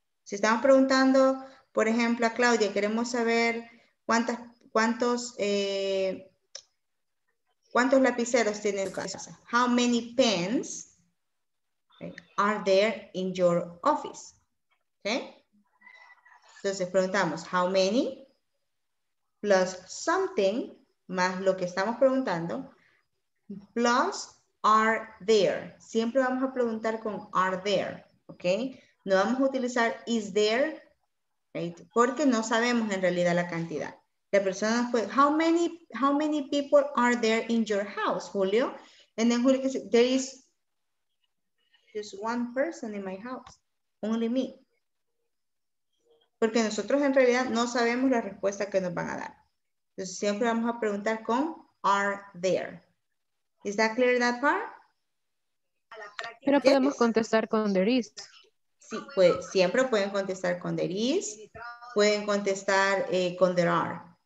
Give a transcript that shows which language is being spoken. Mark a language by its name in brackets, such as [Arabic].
[Spanish] Si estamos preguntando, por ejemplo, a Claudia, queremos saber cuántos lapiceros tiene en su casa. [English] How many pens are there in your office? [Spanish] Okay. Entonces preguntamos, [English] how many? Plus something, [Spanish] más lo que estamos preguntando, [English] plus are there. [Spanish] Siempre vamos a preguntar con are there, ¿ok? No vamos a utilizar is there, right? Porque no sabemos en realidad la cantidad. La persona nos puede, [English] how many people are there in your house, Julio? And then Julio dice, there is just one person in my house, only me. [Spanish] Porque nosotros en realidad no sabemos la respuesta que nos van a dar. Entonces siempre vamos a preguntar con are there. [English] Is that clear that part? [Spanish] Pero podemos contestar con there is. Sí, pues siempre pueden contestar con there is. Pueden contestar con there are.